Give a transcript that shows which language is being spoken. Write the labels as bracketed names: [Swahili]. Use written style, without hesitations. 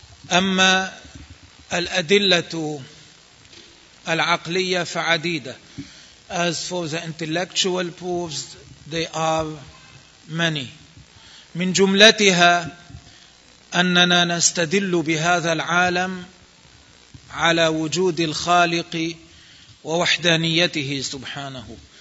[Arabic] أما الأدلة العقلية فعديدة. [English] As for the intellectual proofs, they are many. [Arabic] من جملتها أننا نستدل بهذا العالم على وجود الخالق ووحدانيته سبحانه.